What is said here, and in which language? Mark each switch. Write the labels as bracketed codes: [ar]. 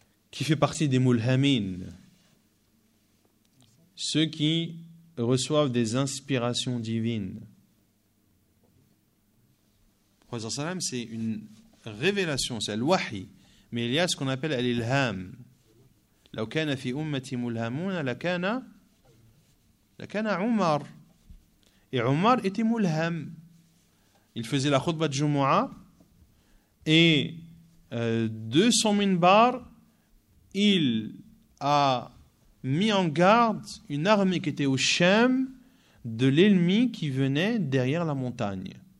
[fr] Qui fait partie des mulhamin ? Ceux qui reçoivent des inspirations divines. Le Prophète sallallahu alayhi wa sallam, c'est une révélation, c'est le wahi. Mais il y a ce qu'on appelle l'ilham. [ar] لو كان في أمتي ملهمون لكان عمر. [fr] Et Omar était mulham. Il faisait la khutbah de Jumu'ah et de son minbar, il a mis en garde une armée qui était au Sham de l'ennemi qui venait derrière la montagne.